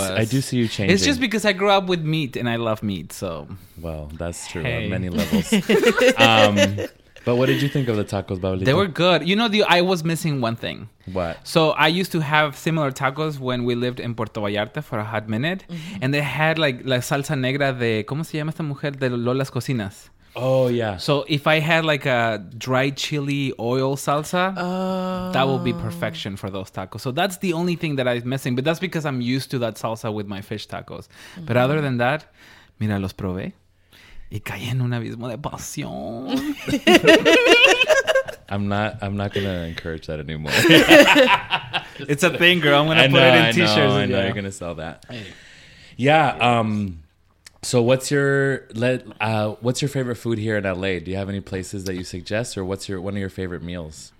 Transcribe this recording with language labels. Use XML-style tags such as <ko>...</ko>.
<en>I do see you changing. It's just because I grew up with meat and I love meat, so. Well, that's true on many levels. But what did you think of the tacos, Babelito? They were good. You know, I was missing one thing. What? So I used to have similar tacos when we lived in Puerto Vallarta for a hot minute. Mm-hmm. And they had like</en> <es>la salsa negra de, ¿cómo se llama esta mujer? De Lola's Cocinas.</es> <en>Oh, yeah. So if I had like a dry chili oil salsa, that would be perfection for those tacos. So that's the only thing that I'm missing. But that's because I'm used to that salsa with my fish tacos. Mm-hmm. But other than that,</en> <es>mira, los probé. Y caí en un abismo de pasión.</es> <en>I'm not going to encourage that anymore. It's a thing, girl. I'm going to put it in t-shirts. I know you're going to sell that. Yeah. So what's your favorite food here in LA? Do you have any places that you suggest, or what's one of your favorite meals?</en>